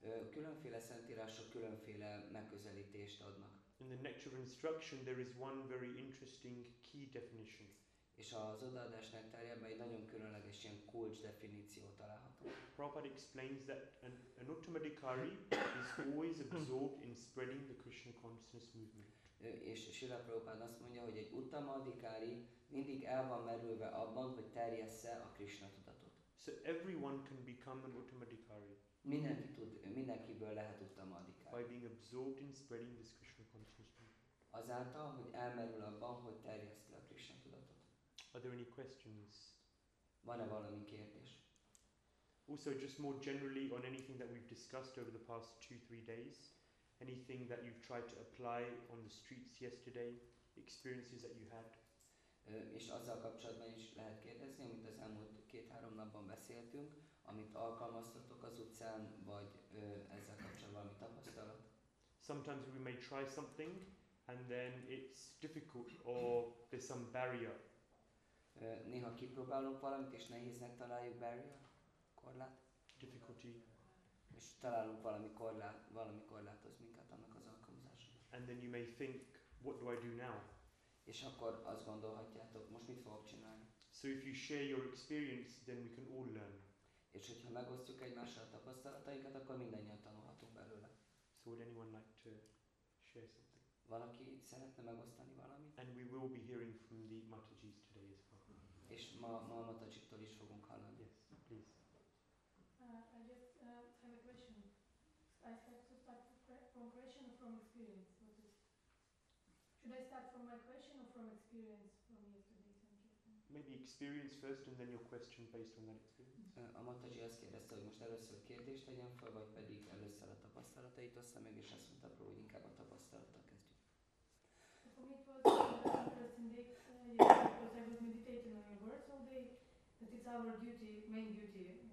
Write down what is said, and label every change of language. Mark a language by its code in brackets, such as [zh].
[hu] Különféle szentírások különféle megközelítést adnak. [en] In the nature of instruction there is one very interesting key definition. [hu] És az odaadás nektárjában egy nagyon különleges ilyen kulcs definíció található. [en] Prabhupada explains that an uttamadhikari is always absorbed in spreading the Krishna consciousness movement. [hu] És Srila Prabhupada azt mondja, hogy egy uttamadhikari mindig el van merülve abban, hogy terjessze a Krishna tudatot. [en] So everyone can become an uttamadhikari. [hu] Mindenkiből lehet uttamadhikari. [en] By being absorbed in spreading this Krishna consciousness. [hu] Azáltal, hogy elmerül abban, hogy terjeszti a Krishna tudatot. [en] Are there any questions? [hu] Van-e valami kérdés? [en] Also, just more generally on anything that we've discussed over the past 2-3 days, anything that you've tried to apply on the streets yesterday, experiences that you had. [hu] És azzal kapcsolatban is lehet kérdezni, amit az elmúlt 2-3 napban beszéltünk, amit alkalmaztatok az utcán, vagy ezzel kapcsolatban valami tapasztalat. [en] Sometimes we may try something, and then it's difficult, or there's some barrier. [hu] Néha kipróbálunk valamit, és nehéznek találjuk barrier, korlát. [en] Difficulty. [hu] És találunk valami korlátoz minket annak az alkalmazásra. [en] And then you may think, what do I do now? [hu] És akkor azt gondolhatjátok, most mit fogok csinálni? [en] So if you share your experience, then we can all learn. [hu] És hogyha megosztjuk egymással a tapasztalatainkat, akkor mindannyian tanulhatunk belőle. [en] So would anyone like to share something? [hu] Valaki szeretne megosztani valamit? [en] And we will be hearing from the Matajis today as well. [hu] És ma a Matajiktól is fogunk hallani. [en] Yes, please. I just have a question. I have to start from question or from experience? Should I start from my question or from experience from yesterday? Maybe experience first and then your question based on that experience. [hu] A Mataji azt kérdezte, hogy most először kérdést tegyem fel, vagy pedig először a tapasztalatait osztam meg, és azt mondta, hogy inkább a tapasztalattal kezdjük. [en] For me it was the first index, because I was meditating on your words all day, that it's our duty, main duty.